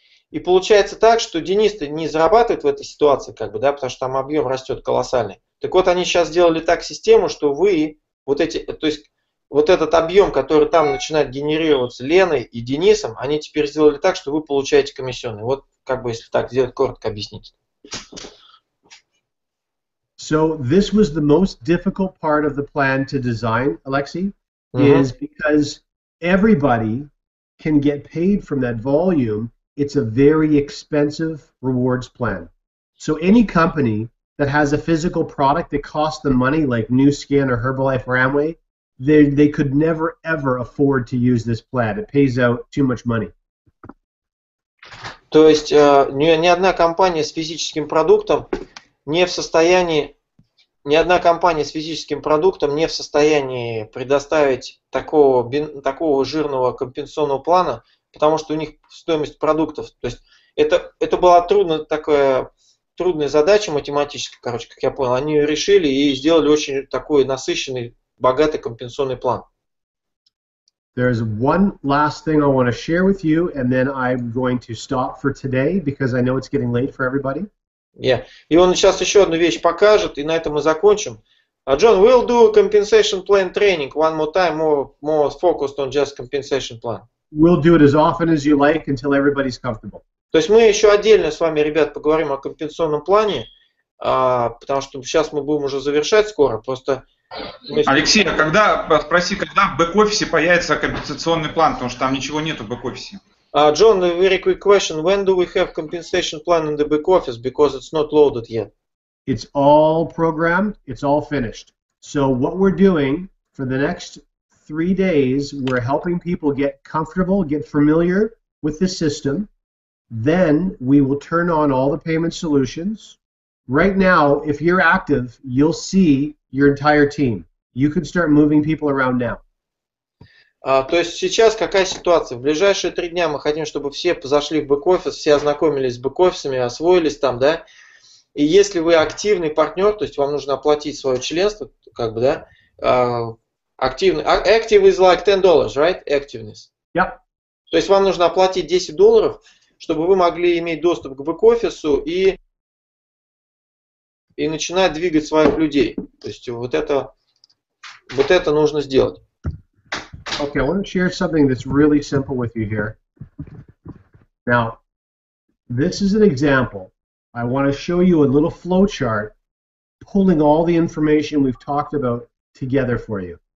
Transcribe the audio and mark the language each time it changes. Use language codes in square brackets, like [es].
[ru] И получается так, что Денис-то не зарабатывает в этой ситуации, как бы, да, потому что там объем растет колоссальный. Так вот, они сейчас сделали так систему, что вы, вот эти, то есть, вот этот объем, который там начинает генерироваться Леной и Денисом, они теперь сделали так, что вы получаете комиссионный. Вот, как бы, если так сделать, коротко объяснить. [en] So this was the most difficult part of the plan to design, Alexei, is because everybody can get paid from that volume. It's a very expensive rewards plan. So any company that has a physical product that costs them money, like Nu Skin or Herbalife or Amway, they could never ever afford to use this plan. It pays out too much money. [ru] То есть ни одна компания с физическим продуктом не в состоянии, ни одна компания с физическим продуктом не в состоянии предоставить такого жирного компенсационного плана, потому что у них стоимость продуктов. То есть это была трудная задача математическая, короче, как я понял. Они ее решили и сделали очень такой насыщенный, богатый компенсационный план. [en] There's one last thing I want to share with you, and then I'm going to stop for today because I know it's getting late for everybody. Yeah. [ru] И он сейчас еще одну вещь покажет, и на этом мы закончим. [en] John, we'll do a compensation plan training one more time, more focused on just compensation plan. We'll do it as often as you like until everybody's comfortable. [ru] То есть мы еще отдельно с вами, ребят, поговорим о компенсационном плане, потому что сейчас мы будем уже завершать скоро, просто. Алексей, а когда, спроси, когда в бэк-офисе появится компенсационный план, потому что там ничего нету в бэк-офисе. [en] John, a very quick question. When do we have compensation plan in the back office? Because it's not loaded yet. It's all programmed. It's all finished. So what we're doing for the next 3 days, we're helping people get comfortable, get familiar with the system. Then we will turn on all the payment solutions. Right now, if you're active, you'll see your entire team. You can start moving people around now. [ru] То есть сейчас какая ситуация? В ближайшие 3 дня мы хотим, чтобы все зашли в бэк-офис, все ознакомились с бэк-офисами, освоились там, да? И если вы активный партнер, то есть вам нужно оплатить свое членство, как бы, да? Активный. [en] Active is like $10, right? Activeness. Yep. [ru] То есть вам нужно оплатить $10, чтобы вы могли иметь доступ к бэк-офису и начинать двигать своих людей. То есть вот это нужно сделать. [en] Okay, I want to share something that's really simple with you here. Now, this is an example. I want to show you a little flow chart pulling all the information we've talked about together for you.